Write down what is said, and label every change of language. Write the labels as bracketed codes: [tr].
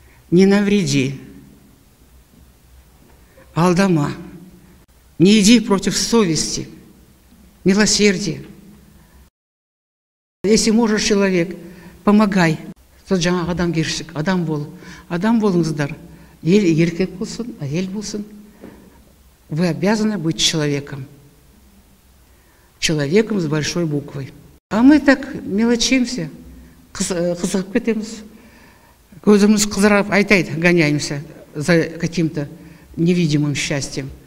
[ru] Не навреди, [kk] алдама, [ru] не иди против совести, милосердия. Если можешь, человек, помогай. Тот же [kk] адам гиршик, адам бол. Адам болыңыздар. Еркек болсын, әйел болсын. [ru] Вы обязаны быть человеком. Человеком с большой буквой. А мы так мелочимся. [kk] Қызығып кетеміз. Көзіміз қызырап, айтай, [ru] гоняемся за каким-то невидимым счастьем.